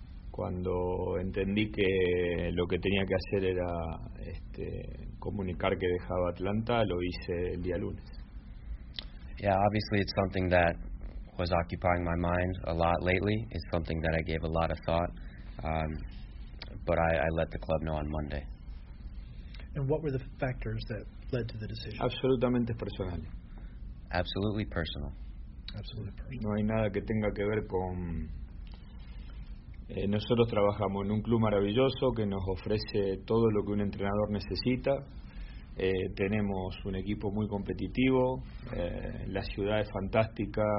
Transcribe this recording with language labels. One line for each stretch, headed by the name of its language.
Spanish: Cuando entendí que lo que tenía que hacer era comunicar que dejaba Atlanta, lo hice el día lunes.
English: Yeah, obviously it's something that was occupying my mind a lot lately. It's something that I gave a lot of thought, but I let the club know on Monday. And what were the factors that led to the decision?
Spanish: Absolutamente personal.
English: Absolutely personal. Absolutely personal.
Spanish: No hay nada que tenga que ver con... nosotros trabajamos en un club maravilloso que nos ofrece todo lo que un entrenador necesita. Tenemos un equipo muy competitivo. La ciudad es fantástica.